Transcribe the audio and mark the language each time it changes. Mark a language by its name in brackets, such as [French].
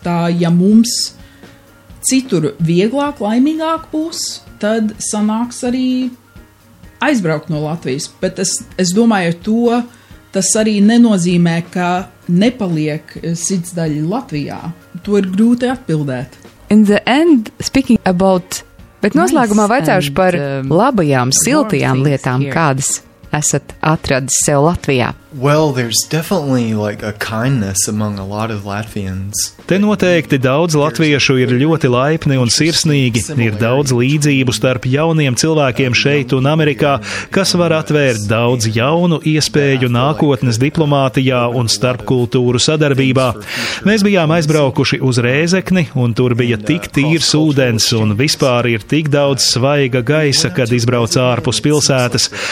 [Latvian] Tā, ja mums citur vieglāk, laimīgāk būs, tad sanāks arī aizbraukt no Latvijas, bet es domāju to, tas arī nenozīmē, ka nepaliek cits daļa Latvijā. To ir grūti atbildēt. [English] In the end, speaking about... [Latvian] Bet noslēgumā vaicāšu par labajām, siltajām lietām, kādas esat atradis sev Latvijā. [English] Well, there's definitely like a kindness among a lot of Latvians. [Latvian] Te noteikti daudz latviešu ir ļoti laipni un sirsnīgi, ir daudz līdzību starp jauniem cilvēkiem šeit un Amerikā, kas var atvērt daudz jaunu iespēju nākotnes diplomātijā un starp kultūru sadarbībā. Mēs bijām aizbraukuši uz Rēzekni, un tur bija tik tīrs ūdens, un vispār ir tik daudz svaiga gaisa, kad izbrauc ārpus pilsētas.